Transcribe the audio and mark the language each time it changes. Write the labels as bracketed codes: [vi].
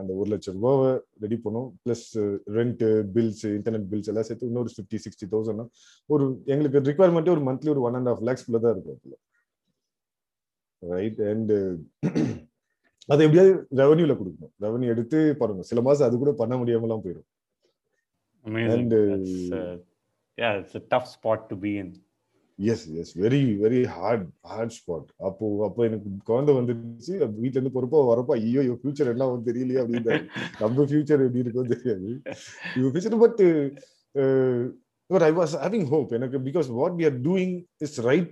[ta] அந்த 1,00,000 ரூபாவை ரெடி பண்ணோம், plus rent bills internet bills எல்லாம் சேர்த்து இன்னொரு 50,000-60,000. ஒரு எங்களுக்கு ரிக்குவயர்மெண்ட்டே ஒரு மந்த்லி ஒரு 1.5 லேக்ஸ்குள்ளே தான் இருக்கும். ரைட். அண்ட் அதை எப்படியாவது ரெவன்யூல கொடுக்கணும், ரெவன்யூ எடுத்து பண்ணணும். சில மாசம் அது கூட பண்ண முடியாமலாம் போயிடும். [en] And yeah, it's a tough spot to be in. Yes, yes, very very hard spot. [ta] அப்போ எனக்கு குழந்தை வந்துருச்சு, வீட்டுல இருந்து பொறுப்பா வரப்பா, ஐயோ யோ ஃபியூச்சர் என்ன வந்து தெரியலையா அப்படின்னு. நம்ம ஃபியூச்சர் எப்படி இருக்கும் தெரியாது. [en] You future but But I was having hope, you know, because what we are doing is right.